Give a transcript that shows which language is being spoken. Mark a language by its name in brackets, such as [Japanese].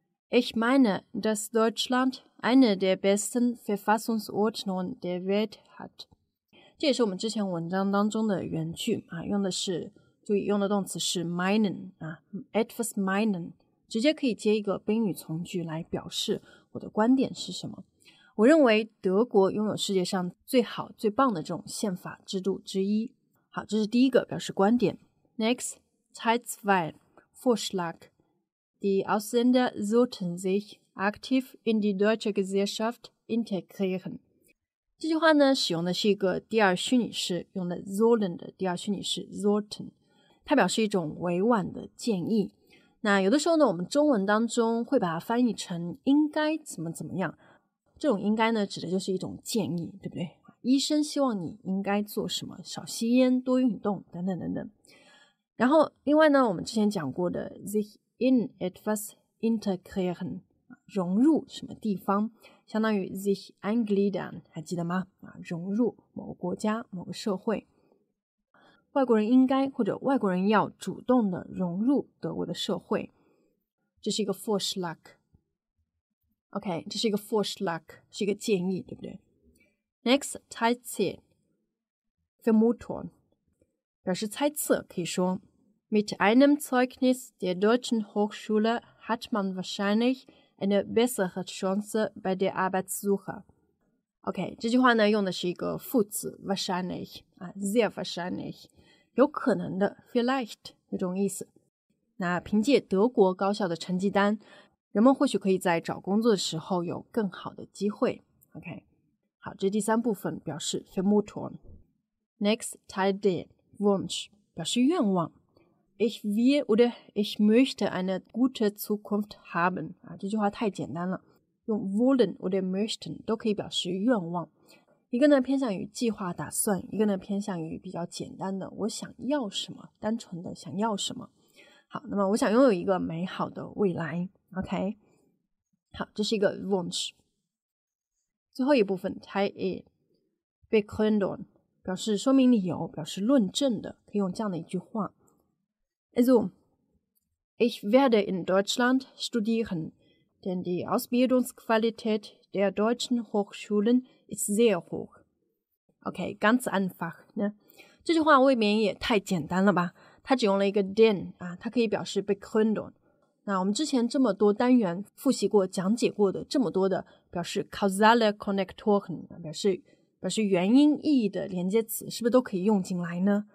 [German] Ich meine, dass Deutschland eine der besten Verfassungsordnungen der Welt hat. [Chinese] 这也是我们之前文章当中的原句啊，用的是，注意用的动词是 meinen 啊 ，etwas meinen， 直接可以接一个宾语从句来表示我的观点是什么。我认为德国拥有世界上最好、最棒的这种宪法制度之一。好，这是第一个表示观点。 [German] Next, Teil 2, Vorschlag. Die Ausländer sollten sich aktiv in die deutsche Gesellschaft integrieren. [Chinese] 这句话呢，使用的是一个第二虚拟式，用的 sollen 的第二虚拟式 sollten， 它表示一种委婉的建议。那有的时候呢，我们中文当中会把它翻译成应该怎么怎么样，这种应该呢，指的就是一种建议，对不对？医生希望你应该做什么，少吸烟，多运动，等等等等。然后另外呢，我们之前讲过的 sich in etwas integrieren， 融入什么地方，相当于 sich eingliedern, 还记得吗？融入某个国家、某个社会。外国人应该或者外国人要主动的融入德国的社会。这是一个 Vorschlag。OK, 这是一个 Vorschlag, 是一个建议，对不对？ [German] Next, [Chinese] 猜测 [German] Vermutung, [Chinese] 表示猜测可以说 [German] Mit einem Zeugnis der deutschen Hochschule hat man wahrscheinlich eine bessere Chance bei der Arbeitssuche. [Chinese] OK, 这句话呢用的是一个副词 wahrscheinlich, sehr wahrscheinlich, 有可能的 vielleicht, 这种意思。那凭借德国高校的成绩单，人们或许可以在找工作的时候有更好的机会。 OK, 好，这第三部分表示 Vermutung. [German] Next, Teil D, Wunsch, [Chinese] 表示愿望。 [German] Ich will oder ich möchte eine gute Zukunft haben. [Chinese] 啊，这句话太简单了，用 wollen oder möchten 都可以表示愿望。一个呢偏向于计划打算，一个呢偏向于比较简单的，我想要什么，单纯的想要什么。好，那么我想拥有一个美好的未来。OK, 好，这是一个 wunsch。最后一部分 [German] ，Teil E，Begründung [Chinese] 表示说明理由，表示论证的，可以用这样的一句话 [German] ：Also, ich werde in Deutschland studieren, denn die Ausbildungsqualität der deutschen Hochschulen ist sehr hoch. OK, ganz einfach, ne? [Chinese] 这句话未免也太简单了吧？它只用了一个 den 啊，它可以表示 Begründung。那我们之前这么多单元复习过讲解过的这么多的表示 causale connectoren 表示原因意义的连接词，是不是都可以用进来呢？